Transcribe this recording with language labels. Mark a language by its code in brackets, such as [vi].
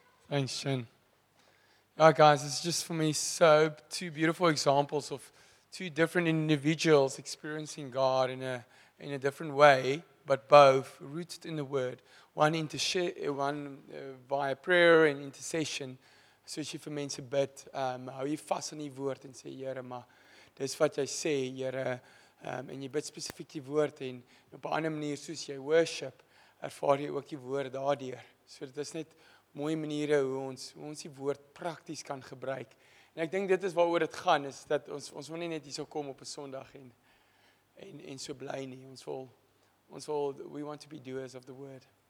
[en] Thanks, Shen. Yeah, guys, it's just for me so two beautiful examples of two different individuals experiencing God in a different way, but both rooted in the Word. One via prayer and intercession, so she for [af] mense bid, hou jy vas aan die woord en sê, Here, maar dis wat jy sê, Here, en jy bid spesifiek die woord, en op 'n ander manier, soos jy worship, ervaar jy ook die woord daardeur. So dit is net mooie maniere hoe ons die woord prakties kan gebruik. En ek dink dit is waaroor dit gaan, is dat ons wil nie net hier so kom op 'n Sondag en so bly nie. Ons wil, [en] we want to be doers of the word.